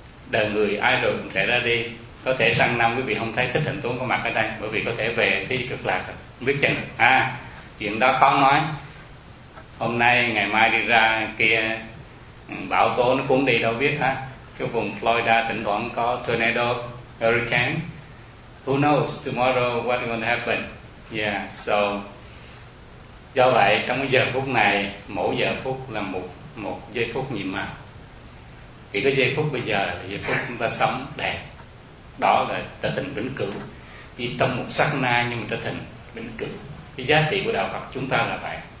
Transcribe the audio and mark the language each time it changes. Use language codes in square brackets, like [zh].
[vi] đời người ai rồi cũng sẽ ra đi. Có thể sang năm quý vị không thấy Thích Hạnh Tuấn có mặt ở đây, bởi vì có thể về thế giới Cực Lạc, không biết chừng. À, chuyện đó khó nói. Hôm nay, ngày mai đi ra kia, bão tố nó cuốn đi đâu biết ha. Cái vùng Florida thỉnh thoảng có tornado, hurricane. [en] Who knows tomorrow what's going to happen? Yeah, so [vi] do vậy trong cái giờ phút này, mỗi giờ phút là một giây phút nhiệm màu. Chỉ có giây phút bây giờ là giây phút chúng ta sống đẹp. Đó là trở thành vĩnh cửu. Chỉ trong một sắc na nhưng mà trở thành vĩnh cửu. Cái giá trị của Đạo Phật chúng ta là vậy.